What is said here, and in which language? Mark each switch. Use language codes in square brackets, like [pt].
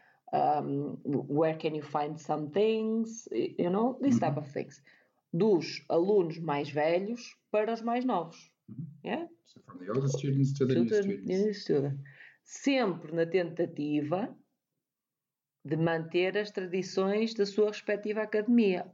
[en] Where can you find some things, you know, this type of things. [pt] Dos alunos mais velhos para os mais novos. [en] Yeah? So from the older students to the new students. [pt] Sempre na tentativa de manter as tradições da sua respectiva academia.